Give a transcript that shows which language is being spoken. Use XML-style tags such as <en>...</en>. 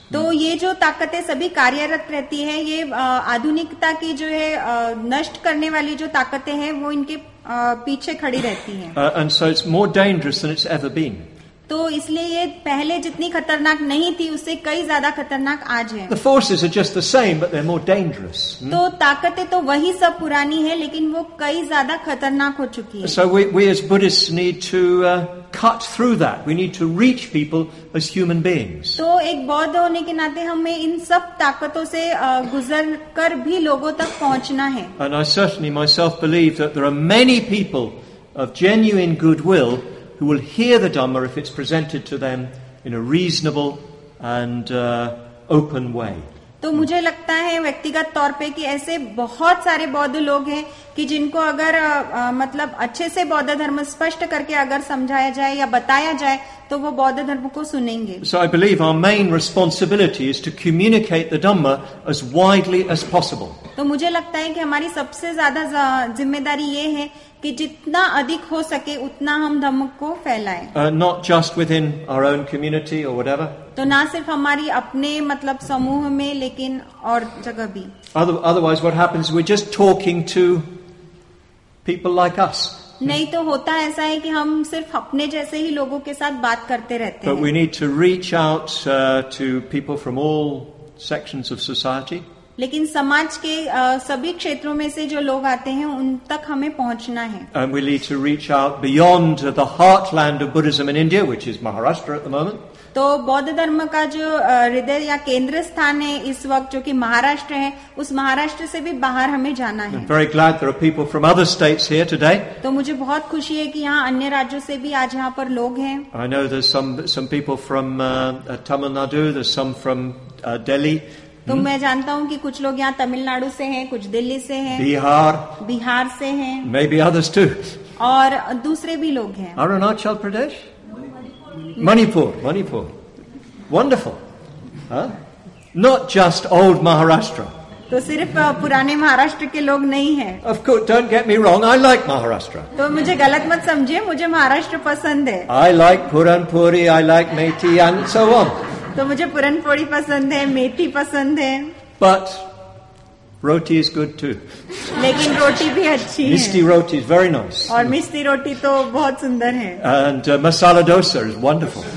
<hi>तो ये जो ताकतें सभी कार्यरत रहती है, ये आधुनिकता की जो है नष्ट करने वाली जो ताकतें हैं वो इनके पीछे खड़ी रहती है.</hi> <en>And so it's more dangerous than it's ever been.</en> <hi>तो इसलिए ये पहले जितनी खतरनाक नहीं थी उससे कई ज्यादा खतरनाक आज है.</hi> <en>The forces are just the same, but they're more dangerous.</en> <hi>तो ताकतें तो वही सब पुरानी है लेकिन वो कई ज्यादा खतरनाक हो चुकी है.</hi> <en>So we as Buddhists need to cut through that. We need to reach people as human beings.</en> <hi>तो एक बौद्ध होने के नाते हमें इन सब ताकतों से गुजर कर भी लोगों तक पहुंचना है.</hi> <en>And I certainly myself believe that there are many people of genuine goodwill who will hear the Dhamma if it's presented to them in a reasonable and open way.</en> <hi>तो मुझे लगता है व्यक्तिगत तौर पे कि ऐसे बहुत सारे बौद्ध लोग हैं कि जिनको अगर मतलब अच्छे से बौद्ध धर्म स्पष्ट करके अगर समझाया जाए या बताया जाए तो वो बौद्ध धर्म को सुनेंगे.</hi> <en>So I believe our main responsibility is to communicate the Dhamma as widely as possible.</en> <hi>तो मुझे लगता है कि हमारी सबसे ज्यादा जिम्मेदारी ये है कि जितना अधिक हो सके उतना हम धम्म को फैलाएं.</hi> <en>Not just within our own community or whatever.</en> <hi>तो ना सिर्फ हमारी अपने मतलब समूह में लेकिन और जगह भी.</hi> <en>Otherwise what happens, we're just talking to people like us.</en> <hi>नहीं तो होता ऐसा है कि हम सिर्फ अपने जैसे ही लोगों के साथ बात करते रहते हैं.</hi> <en>But we need to reach out to people from all sections of society.</en> <hi>लेकिन समाज के सभी क्षेत्रों में से जो लोग आते हैं उन तक हमें पहुंचना है.</hi> <en>And we need to reach out beyond the heartland of Buddhism in India, which is Maharashtra at the moment.</en> <hi>तो बौद्ध धर्म का जो हृदय या केंद्र स्थान है इस वक्त जो कि महाराष्ट्र है उस महाराष्ट्र से भी बाहर हमें जाना है.</hi> <en>I'm very glad there are people from other states here today.</en> <hi>तो मुझे बहुत खुशी है कि यहाँ अन्य राज्यों से भी आज यहाँ पर लोग हैं.</hi> <en>I know there's some people from Tamil Nadu, there's some from Delhi.</en> <hi>तो मैं जानता हूँ कि कुछ लोग यहाँ तमिलनाडु से हैं, कुछ दिल्ली से हैं, बिहार से हैं,</hi> <en>maybe others too.</en> <hi>और दूसरे भी लोग हैं.</hi> <en>Arunachal Pradesh, Manipur. Wonderful. Huh? Not just old Maharashtra.</en> <hi>तो सिर्फ पुराने महाराष्ट्र के लोग नहीं है.</hi> <en>Of course, don't get me wrong, I like Maharashtra.</en> <hi>तो मुझे गलत मत समझिए, मुझे महाराष्ट्र पसंद है.</hi> <en>I like Puranpuri, I like Methi and so on.</en> <hi>तो मुझे पुरनपोड़ी पसंद है, मेथी पसंद है.</hi> <en>But roti is good too.</en> <hi>लेकिन रोटी भी अच्छी है.</hi> <en>Misty roti is very nice.</en> <hi>और मिस्टी रोटी तो बहुत सुंदर है.</hi> <en>And masala dosa is wonderful.</en>